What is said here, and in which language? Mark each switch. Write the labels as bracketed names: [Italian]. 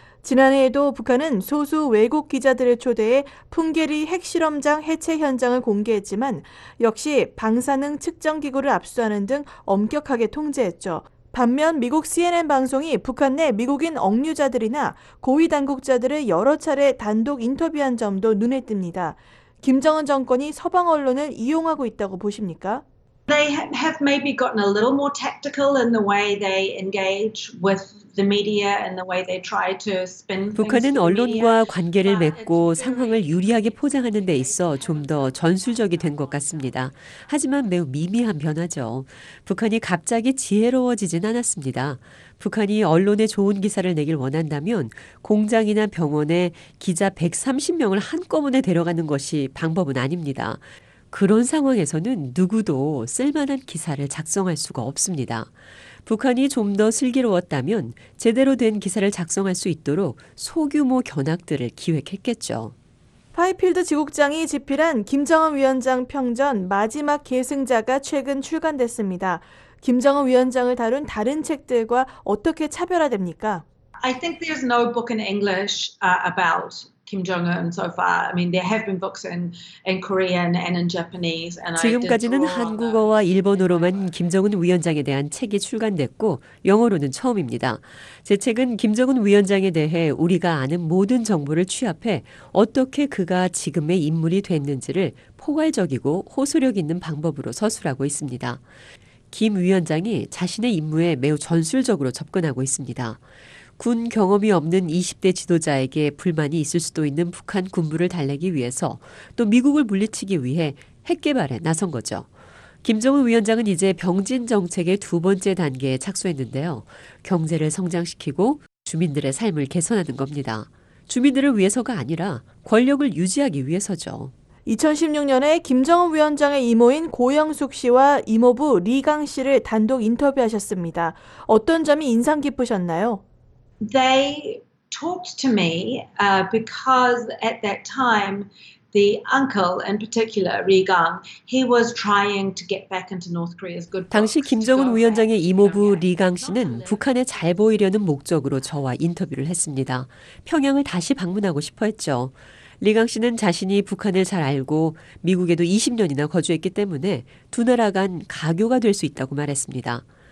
[Korean] 지난해에도 북한은 소수 외국 기자들을 초대해 풍계리 핵실험장 해체 현장을 공개했지만 역시 방사능 측정기구를 압수하는 등 엄격하게 통제했죠. 반면 미국 CNN 방송이 북한 내 미국인 억류자들이나 고위 당국자들을 여러 차례 단독 인터뷰한 점도 눈에 띕니다. 김정은 정권이 서방 언론을 이용하고 있다고 보십니까? [English] They have maybe gotten a little more tactical in the way they engage with the media and the way they try to spin things. [Korean] 북한은 언론과 관계를 맺고 상황을 유리하게 포장하는 데 있어 좀 더 전술적이 된 것 같습니다. 하지만 매우 미미한 변화죠. 북한이 갑자기 지혜로워지진 않았습니다. 북한이 언론에 좋은 기사를 내길 원한다면 공장이나 병원에 기자 130명을 한꺼번에 데려가는 것이 방법은 아닙니다. 그런 상황에서는 누구도 쓸만한 기사를 작성할 수가 없습니다. 북한이 좀 더 슬기로웠다면 제대로 된 기사를 작성할 수 있도록 소규모 견학들을 기획했겠죠. 파이필드 지국장이 집필한 김정은 위원장 평전 마지막 계승자가 최근 출간됐습니다. 김정은 위원장을 다룬 다른 책들과 어떻게 차별화됩니까? [English] I think there's no book in English about Kim Jong-un so far. I mean, there have been books in Korean and in Japanese. And [Korean] 지금까지는 한국어와 일본어로만 김정은 위원장에 대한 책이 출간됐고 영어로는 처음입니다. 제 책은 김정은 위원장에 대해 우리가 아는 모든 정보를 취합해 어떻게 그가 지금의 인물이 됐는지를 포괄적이고 호소력 있는 방법으로 서술하고 있습니다. 김 위원장이 자신의 임무에 매우 전술적으로 접근하고 있습니다. 군 경험이 없는 20대 지도자에게 불만이 있을 수도 있는 북한 군부를 달래기 위해서 또 미국을 물리치기 위해 핵 개발에 나선 거죠. 김정은 위원장은 이제 병진 정책의 두 번째 단계에 착수했는데요. 경제를 성장시키고 주민들의 삶을 개선하는 겁니다. 주민들을 위해서가 아니라 권력을 유지하기 위해서죠. 2016년에 김정은 위원장의 이모인 고영숙 씨와 이모부 리강 씨를 단독 인터뷰하셨습니다. 어떤 점이 인상 깊으셨나요? [English] They talked to me because at that time the uncle in particular, Ri Gang, he was trying to get back into North Korea's good books. [Korean] 당시 김정은 위원장의 이모부 리강 씨는 북한에 잘 보이려는 목적으로 저와 인터뷰를 했습니다. 평양을 다시 방문하고 싶어 했죠. 리강 씨는 자신이 북한을 잘 알고 미국에도 20년이나 거주했기 때문에 두 나라 간 가교가 될 수 있다고 말했습니다.